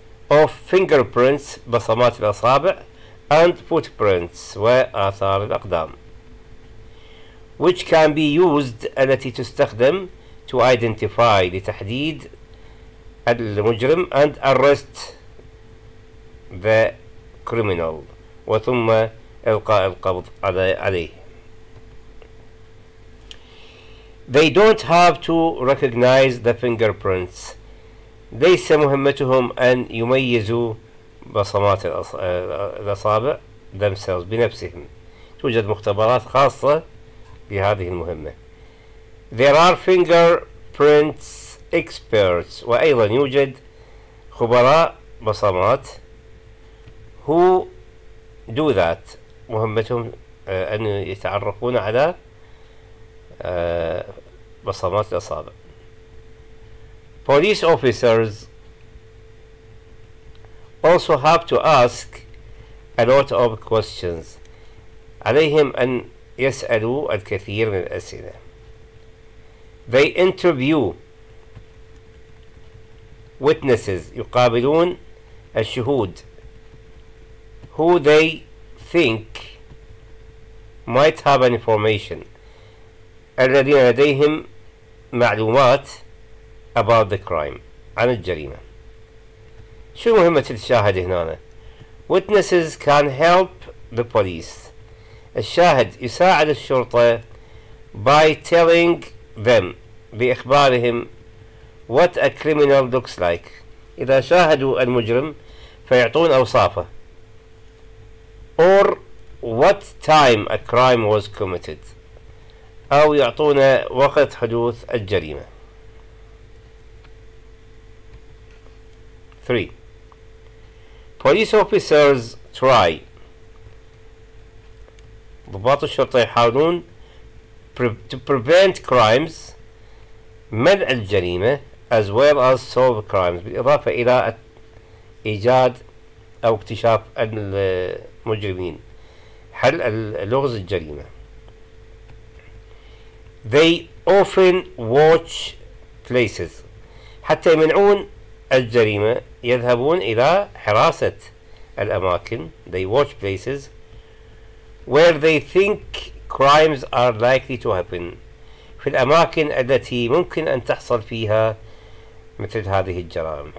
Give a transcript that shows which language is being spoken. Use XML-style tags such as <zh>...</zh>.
<en>of fingerprints</en> <ar>بصمات الأصابع</ar> <en>and footprints</en> <ar>وآثار الأقدام</ar> <en>which can be used</en> <ar>التي تستخدم</ar> <en>to identify</en> <ar>لتحديد المجرم</ar> <en>and arrest the criminal</en> <ar>وثم إلقاء القبض عليه.</ar> <en>They don't have to recognize the fingerprints.</en> <ar>ليس مهمتهم أن يميزوا بصمات الأصابع</ar> <en>themselves</en> <ar>بنفسهم. توجد مختبرات خاصة لهذه المهمة.</ar> <en>There are fingerprints experts</en> <ar>وأيضا يوجد خبراء بصمات</ar> <en>who do that،</en> <ar>مهمتهم أن يتعرفون على بصمات الأصابع.</ar> <en>Police officers also have to ask a lot of questions،</en> <ar>عليهم أن يسألوا الكثير من الأسئلة.</ar> <en>They interview witnesses،</en> <ar>يقابلون الشهود.</ar> <en>Who they think might have an information،</en> <ar>الذين لديهم معلومات</ar> <en>about the crime،</en> <ar>عن الجريمة. شو مهمة الشاهد هنا؟</ar> <en>Witnesses can help the police،</en> <ar>الشاهد يساعد الشرطة.</ar> <en>By telling them،</en> <ar>بإخبارهم.</ar> <en>What a criminal looks like،</en> <ar>إذا شاهدوا المجرم فيعطون أوصافه.</ar> <en>Or what time a crime was committed،</en> <ar>أو يعطونا وقت حدوث الجريمة.</ar> <en>3. Police officers try،</en> <ar>ضباط الشرطة يحاولون.</ar> <en>To prevent crimes،</en> <ar>منع الجريمة.</ar> <en>As well as solve crimes،</en> <ar>بالإضافة إلى إيجاد أو اكتشاف المجرمين، حل لغز الجريمة.</ar> <en>They often watch places،</en> <ar>حتى يمنعون الجريمة يذهبون إلى حراسة الأماكن.</ar> <en>They watch places where they think crimes are likely to happen،</en> <ar>في الأماكن التي ممكن أن تحصل فيها مثل هذه الجرائم.</ar>